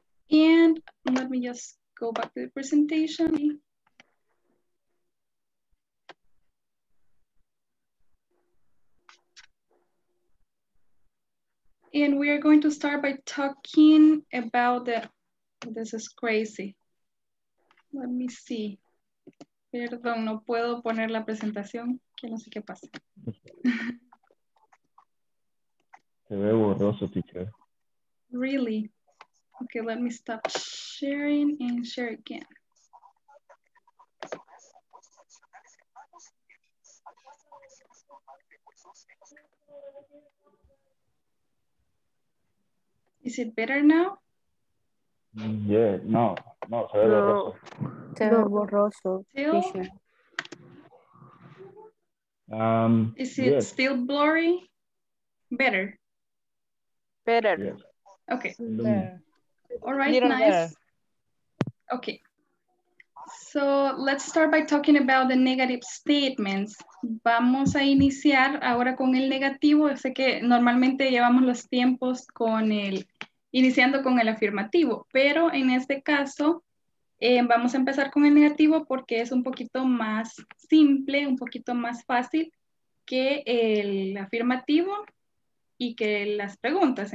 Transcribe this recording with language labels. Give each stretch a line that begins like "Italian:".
English: And let me just go back to the presentation. And we are going to start by talking about the, this is crazy. Let me see.
Spanish: Perdón, no puedo poner la presentación, que no sé qué pasa. Se ve borroso, teacher.
English: Really? Okay, let me stop sharing and share again. You Is it better now?
Spanish: Yeah, no, no, se ve borroso. Se ve borroso.
English: Still? Is it yes. still blurry? Better. Better. Yes. Okay. Better. All right, little nice. Better. Okay. So let's start by talking about the negative statements.
Spanish: Vamos a iniciar ahora con el negativo. Sé que normalmente llevamos los tiempos con el iniciando con el afirmativo, pero en este caso vamos a empezar con el negativo porque es un poquito más simple, un poquito más fácil que el afirmativo y que las preguntas.